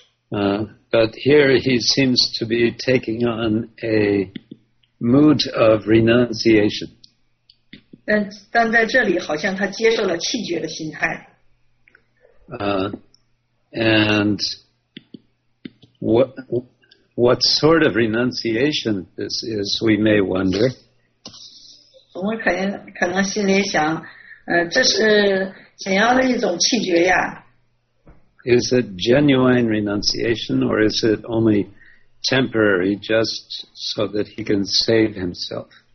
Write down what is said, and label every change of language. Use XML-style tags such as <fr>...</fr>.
<en>But here he seems to be taking on a mood of renunciation.</en> <zh>但在这里好像他接受了弃绝的心态。</zh> <en>And what sort of renunciation this is, we may wonder.</en> <zh>我们可能心里想，这是怎样的一种弃绝呀？</zh> <en>Is it genuine renunciation, or is it only temporary, just so that he can save himself?</en>